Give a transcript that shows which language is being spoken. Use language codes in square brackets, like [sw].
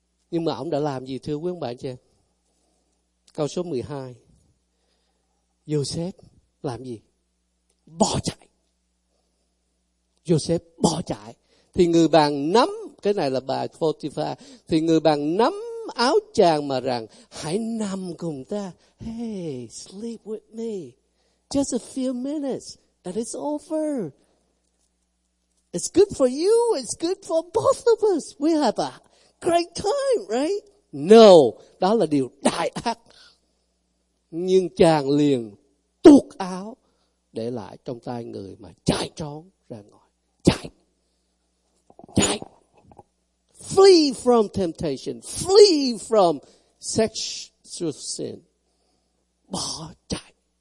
[vi] Nhưng mà ổng đã làm gì thưa quý ông bà anh chị em? Câu số 12, Joseph làm gì? Bỏ chạy. Joseph bỏ chạy. Thì người bạn nắm, cái này là bà Potiphar, thì người bạn nắm áo chàng mà rằng, hãy nằm cùng ta. [en] Hey, sleep with me. Just a few minutes and it's over. It's good for you, it's good for both of us. We have a great time, right? No, [vi] đó là điều đại ác. Nhưng chàng liền tuột áo để lại trong tay người mà chạy trốn ra ngoài. Chạy. Chạy. [en] Flee from temptation. Flee from sexual sin. [vi] Bỏ chạy.